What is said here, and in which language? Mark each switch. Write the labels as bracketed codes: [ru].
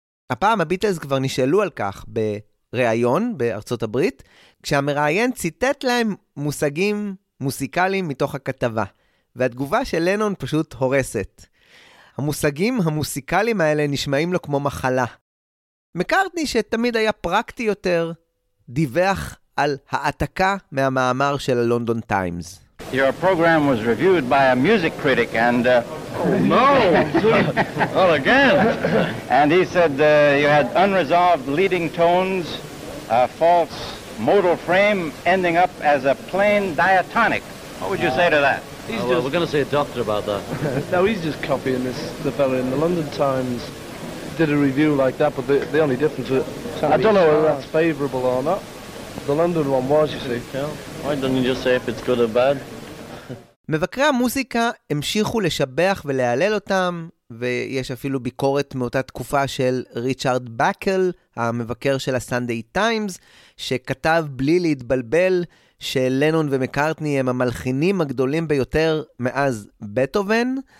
[he] הפעם הביטלס כבר נשאלו על כך בריאיון בארצות הברית, כשהמראיין ציטט להם מושגים מוסיקליים מתוך הכתבה, והתגובה של לנון פשוט הורסת. המושגים המוסיקליים האלה נשמעים לו כמו מחלה. מקארטני, שתמיד היה פרקטי יותר, דיווח על העתקה מהמאמר של הלונדון טיימס. [en] Your program was reviewed by a music critic and and he said you had unresolved leading tones, a false modal frame ending up as a plain diatonic. What would you say to that? We're going to see a doctor about that. No, he's just copying this. The fellow in the London Times did a review like that, but the only difference is I don't know whether that's favorable or not. The London one was, you see. Yeah. Why don't you just say if it's good or bad? [he] מבקרי המוזיקה המשיכו לשבח ולהלל אותם, ויש אפילו ביקורת מאותה תקופה של ריצ'רד באקל, המבקר של הסנדיי טיימס, שכתב בלי להתבלבל שלנון ומקארטני הם המלחינים הגדולים ביותר מאז בטהובן.